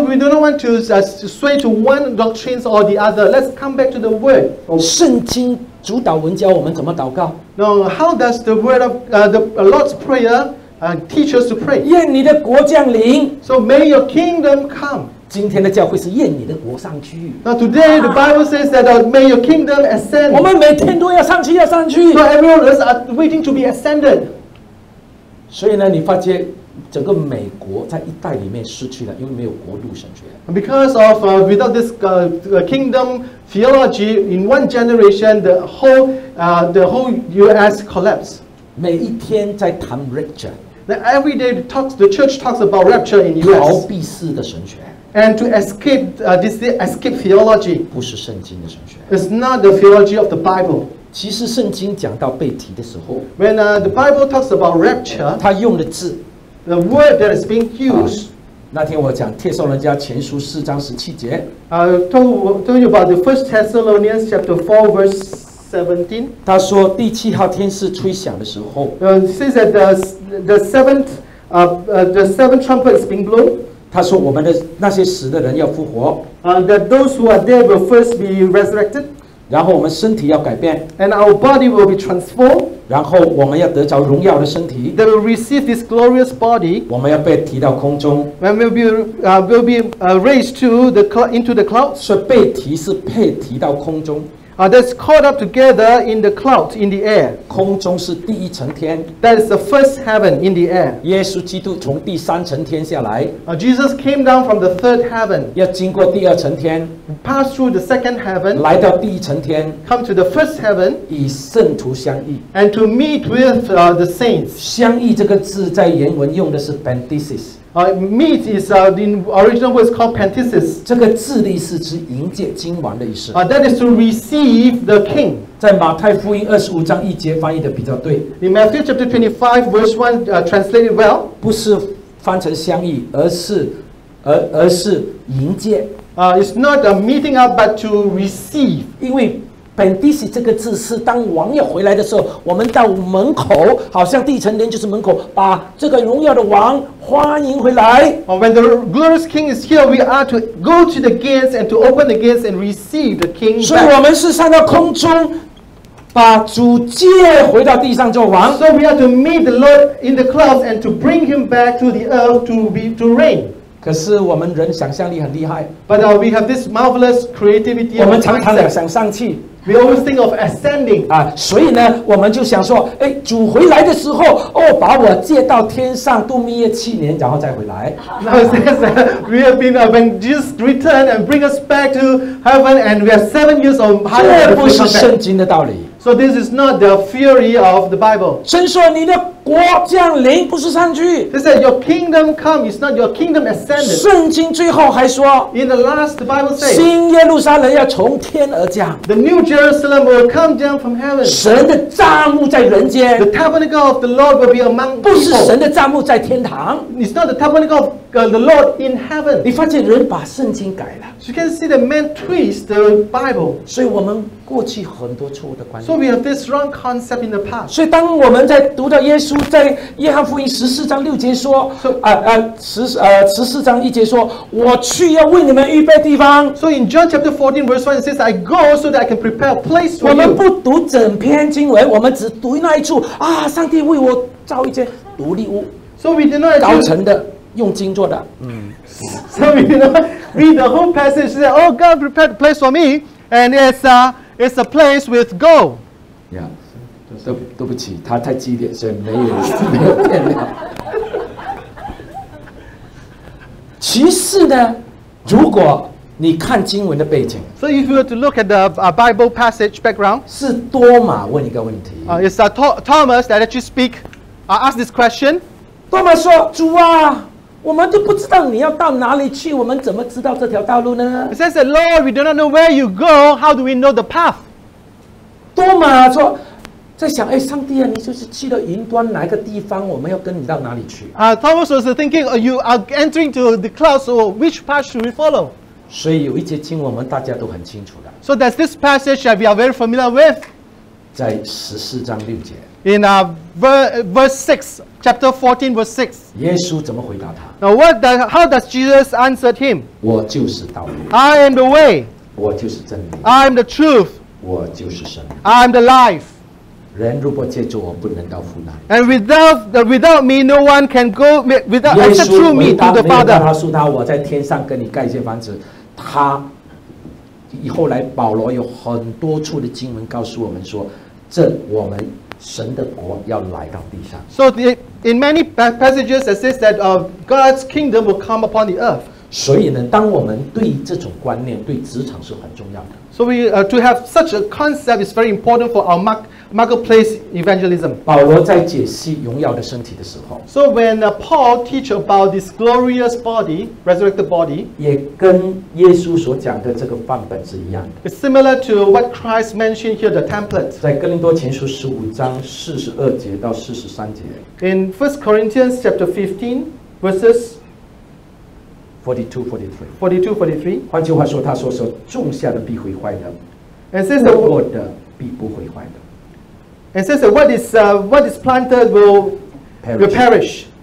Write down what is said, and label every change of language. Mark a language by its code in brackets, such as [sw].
[en] we do not want to sway to one doctrine or the other. Let's come back to the Word. [zh] 圣经主导文教我们怎么祷告。 [en] No, how does the Word of the Lord's Prayer teach us to pray? [zh] 愿你的国降临。 [en] So may your kingdom come. [zh] 今天的教会是愿你的国上去。 [en] Now today the Bible says that may your kingdom ascend. [zh] 我们每天都要上去，要上去。 [en] So everyone is waiting to be ascended. [zh] 所以呢，你发觉整个美国在一代里面失去了，因为没有国度神学。 [en] Because of without this kingdom theology, in one generation the whole U.S. collapsed. [zh] 每一天在谈 rapture. [en] Now every day the church talks about rapture in U.S. [zh] 逃避式的神学。 [en] And to escape this escape theology, [zh] 不是圣经的神学。 [en] It's not the theology of the Bible. [zh] 其实圣经讲到被提的时候， [en] when the Bible talks about rapture, [zh] 他用的字， [en] the word that is being used, [zh] 那天我讲帖撒罗尼迦前书四章十七节。 [en] Told you about the First Thessalonians chapter 4 verse 17. [zh] 他说第七号天使吹响的时候。 [en] Says that the seventh trumpet is being blown. [zh] 他说我们的那些死的人要复活。 [en] That those who are dead will first be resurrected. [zh] 然后我们身体要改变。 [en] And our body will be transformed. [zh] 然后我们要得着荣耀的身体。 [en] They will receive this glorious body. [zh] 我们要被提到空中。 [en] And we'll be raised into the clouds. [zh] 所以被提是被提到空中。 [en] That's caught up together in the clouds in the air. [zh] 空中是第一层天。 [en] That is the first heaven in the air. [zh] 耶稣基督从第三层天下来。 [en] Jesus came down from the third heaven. [zh] 要经过第二层天。 [en] Pass through the second heaven. [zh] 来到第一层天。 [en] Come to the first heaven. [zh] 与圣徒相遇。 [en] And to meet with the saints. [zh] 相遇这个字在原文用的是 Pentesis. [en] Meet is in original words called Pentesis. [zh] 这个字的意思是迎接君王的意思。 [en] That is to receive the king. [zh] 在马太福音二十五章一节翻译的比较对。 [en] In Matthew chapter 25 verse 1 translated well. [zh] 不是翻成相遇，而是迎接。 [en] It's not a meeting up, but to receive. [zh] 因为Pentesis 这个字是当王要回来的时候，我们到门口，好像第一层天就是门口，把这个荣耀的王欢迎回来。 [en] When the glorious king is here, we are to go to the gates and to open the gates and receive the king back. [zh] 所以我们是上到空中，把主接回到地上做王。 [en] So we are to meet the Lord in the clouds and to bring him back to the earth to reign. [zh] 可是我们人想象力很厉害。 [en] But we have this marvelous creativity. [zh] 我们常常想上去。 [en] We always think of ascending. [zh] 所以呢，我们就想说，哎，主回来的时候，哦，把我接到天上度蜜月七年，然后再回来。 [en] We have been when Jesus returned and bring us back to heaven, and we have 7 years of high. [zh] 这不是圣经的道理。 [en] So this is not the theory of the Bible. [zh] 神说你的国降临不是上去。 [en] He said your kingdom come, it's not your kingdom ascended. [zh] 圣经最后还说 [en] In the last, the Bible says, [zh] 新耶路撒冷要从天而降。 [en] The new Jerusalem will come down from heaven. [zh] 神的帐幕在人间。 [en] The tabernacle of the Lord will be among people. [zh] 不是神的帐幕在天堂。 [en] It's not the tabernacle of the Lord in heaven. [zh] 你发现人把圣经改了。 [en] You can see the man twist the Bible. [zh] 所以我们过去很多错误的观念。 [en] So we have this wrong concept in the past. [zh] 所以当我们在读到耶稣在约翰福音十四章六节说，十四章一节说，我去要为你们预备地方。 [en] So in John chapter 14 verse 1 it says, I go so that I can prepare a place for you. [zh] 我们不读整篇经文，我们只读那一处啊，上帝为我造一间独立屋。 [en] So we did not [zh] 高层的用金做的。 [en] So we did not read the whole passage. Say, oh God, prepared a place for me, and It's a place with gold. Yeah. [zh] 对不起，他太激烈，所以没有电量。其次呢，如果你看经文的背景 [en] ，So if you were to look at the Bible passage background， [zh] 是多马问一个问题。 [en] It's a Thomas that actually speak. I ask this question. [zh] 多马说：“主啊。” 我们都不知道你要到哪里去，我们怎么知道这条道路呢 [en] ？It says, "Lord, we do not know where you go. How do we know the path?" [zh] 多马说，在想，哎，上帝啊，你就是去了云端哪个地方？我们要跟你到哪里去 [en] ？Thomas was thinking, "You are entering to the clouds. So which path should we follow?" [zh] 所以有一节经文，我们大家都很清楚的。 [en] So there's this passage that we are very familiar with. [zh] 在十四章六节。 [en] In verse 6, chapter 14, verse 6. [zh] 耶稣怎么回答他？ [en] Now, how does Jesus answer him? [zh] 我就是道路。 [en] I am the way. [zh] 我就是真理。 [en] I am the truth. [zh] 我就是生命。 [en] I am the life. [zh] 人如果借助我，不能到父那里。 [en] And without me, no one can go without except through me to the Father. [zh] 耶稣回答，没有告诉他，我在天上跟你盖一间房子。他以后来，保罗有很多处的经文告诉我们说，这我们。神的国要来到地上。 [en] So in many passages, it says that God's kingdom will come upon the earth. [zh] 所以呢，当我们对这种观念、对职场是很重要的。 [en] So to have such a concept is very important for our marketplace evangelism. [zh] 保罗在解析荣耀的身体的时候。 [en] So when Paul teach about this glorious body, resurrected body, [zh] 也跟耶稣所讲的这个范本是一样的。 [en] It's similar to what Christ mentioned here, the template. [zh] 在哥林多前书十五章四十二节到四十三节。 [en] In First Corinthians chapter 15, verses 42:43. [zh] 换句话说，他说说种下的必毁坏的，播过的必不毁坏的。 [en] And says that what is planted will perish,